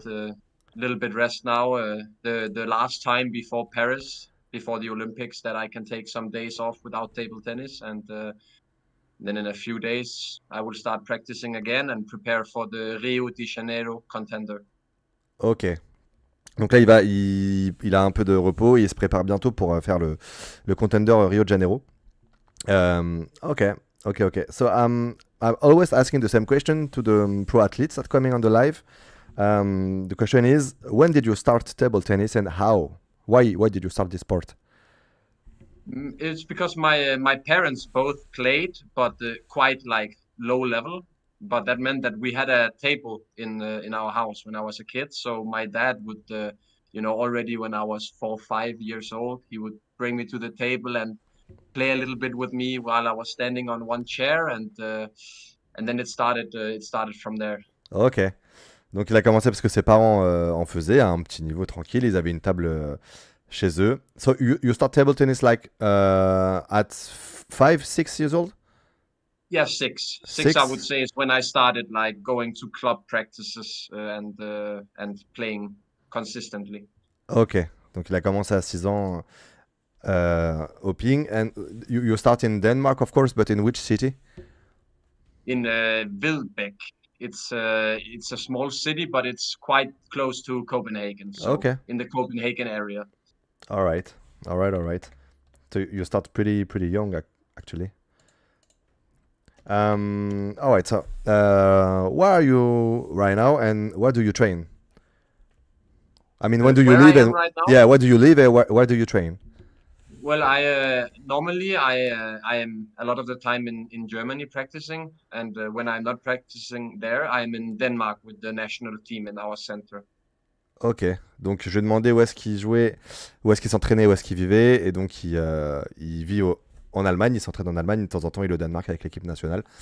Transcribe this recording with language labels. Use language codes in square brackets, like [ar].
[en] Great. A little bit rest now. The last time before Paris, before the Olympics, that I can take some days off without table tennis, and then in a few days I will start practicing again and prepare for the Rio de Janeiro contender. Ok. [fr] Donc là, il a un peu de repos, il se prépare bientôt pour faire le contender Rio de Janeiro. [en] Okay. So I'm always asking the same question to the pro athletes that coming on the live. The question is, when did you start table tennis and how? Why did you start this sport? It's because my parents both played, but quite like low level. but that meant that we had a table in our house when I was a kid. So my dad would, you know, already when I was 4 or 5 years old, he would bring me to the table and play a little bit with me while I was standing on one chair, and then it started from there. [fr] Ok, donc il a commencé parce que ses parents en faisaient à un petit niveau tranquille, ils avaient une table chez eux. [en] So you start table tennis like at 5, 6 years old? Yeah, six. Six. Six, I would say, is when I started like going to club practices and playing consistently. [fr] Ok, donc il a commencé à 6 ans au ping. [en] And you start in Denmark, of course, but in which city? In Vilbæk. It's a small city, but it's quite close to Copenhagen. So okay. In the Copenhagen area. All right. So you start pretty young, actually. All right. So where are you right now, and where do you train? I mean, when do you leave? And right now? Yeah, where do you leave? And where do you train? Well, I normally I am a lot of the time in Germany practicing, and when I'm not practicing there, I'm in Denmark with the national team in our center. [fr] Ok, donc je lui ai demandé où est-ce qu'il jouait, où est-ce qu'il s'entraînait, où est-ce qu'il vivait, et donc il vit en Allemagne, il s'entraîne en Allemagne, de temps en temps il est au Danemark avec l'équipe nationale.